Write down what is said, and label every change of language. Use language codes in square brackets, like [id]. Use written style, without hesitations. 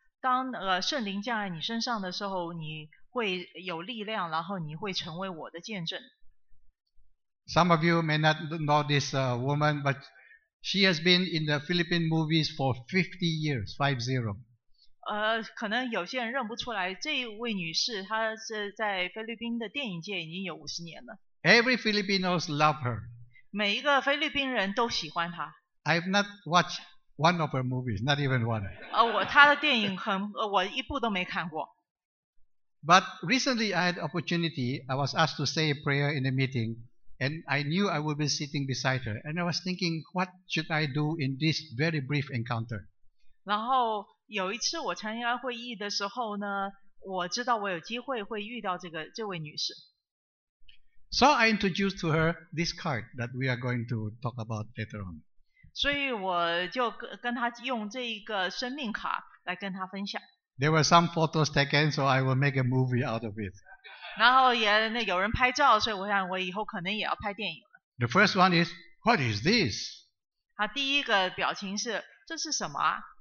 [zh] 当圣灵降在你身上的时候，你会有力量，然后你会成为我的见证。 [en] Some of you may not know this woman, but she has been in the Philippine movies for 50 years, 50. [zh] 可能有些人认不出来，这位女士她是在菲律宾的电影界已经有50年了。 [en] Every Filipinos love her. [zh] 每一个菲律宾人都喜欢她。 [en] I've not watched. One of her movies, not even one. [zh] 他的电影很，我一部都没看过。 [en] But recently I had opportunity, I was asked to say a prayer in a meeting, and I knew I would be sitting beside her, and I was thinking, what should I do in this very brief encounter? [zh] 然后有一次我参加会议的时候呢，我知道我有机会会遇到这位女士。 [en] So I introduced to her this card that we are going to talk about later on. [zh] 所以我就跟他用这一个生命卡来跟他分享。 [en] There were some photos taken, so I will make a movie out of it. [zh] 然后也有人拍照，所以我想我以后可能也要拍电影了。 [en] The first one is, what is this? [zh] 他第一个表情是，这是什么？